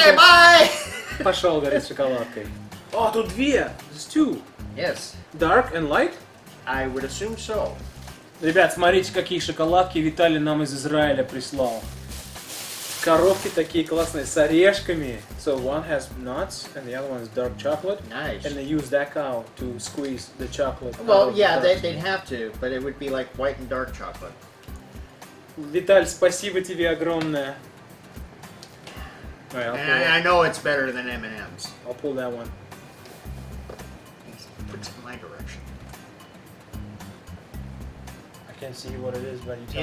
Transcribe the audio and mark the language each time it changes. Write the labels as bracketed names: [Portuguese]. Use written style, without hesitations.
[English] Окей, bye! [Russian] Пошел, говорит, шоколадкой. О, тут две. [English] There's two. Yes. Dark and light? I would assume so. [Russian] Ребят, смотрите, какие шоколадки Виталий нам из Израиля прислал. Коробки такие классные, с орешками. [English] So one has nuts and the other one is dark chocolate. Nice. And they use that cow to squeeze the chocolate. Well, yeah, they'd have to, but it would be like white and dark chocolate. [Russian] Виталь, спасибо тебе огромное. [English] And I know it's better than M&M's. I'll pull that one. Put it in my direction. I can't see what it is, but you tell